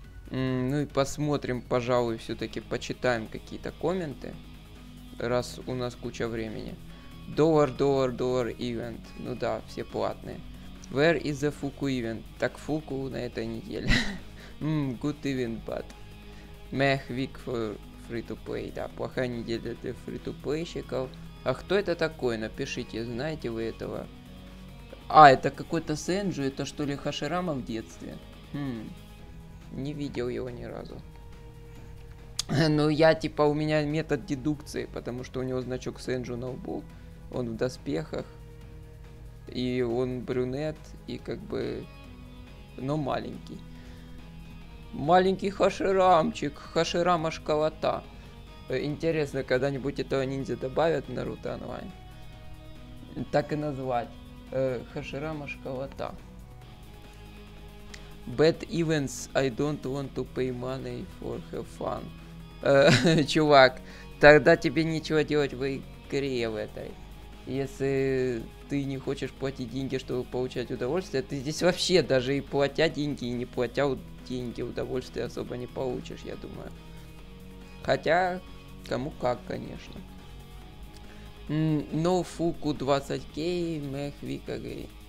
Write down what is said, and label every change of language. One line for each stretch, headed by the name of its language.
Russian: Ну и посмотрим, пожалуй, все-таки почитаем какие-то комменты. Раз у нас куча времени. Доллар, доллар, доллар, ивент. Ну да, все платные.
English: Where is the Fuku event?
Russian: Так Fuku на этой неделе.
English: Good event, but... Meh week for free-to-play.
Russian: Да, плохая неделя для free-to-play-щиков. А кто это такой? Напишите, знаете вы этого? А, это какой-то Сэнджу, это что ли Хаширама в детстве? Не видел его ни разу. Ну, я типа, у меня метод дедукции, потому что у него значок Сэнджу на лбу. Он в доспехах. И он брюнет, и как бы... Но маленький. Маленький Хаширамчик, Хаширама школота. Интересно, когда-нибудь этого ниндзя добавят в Наруто онлайн? Так и назвать. Хаширама Школота.
English: Bad events, I don't want to pay money for have fun.
Russian: Чувак, тогда тебе нечего делать в игре в этой. Если ты не хочешь платить деньги, чтобы получать удовольствие, ты здесь вообще даже и платя деньги, и не платя деньги, удовольствия особо не получишь, я думаю. Хотя... Кому как, конечно.
English: No Fuku 20k, Mech Week Again.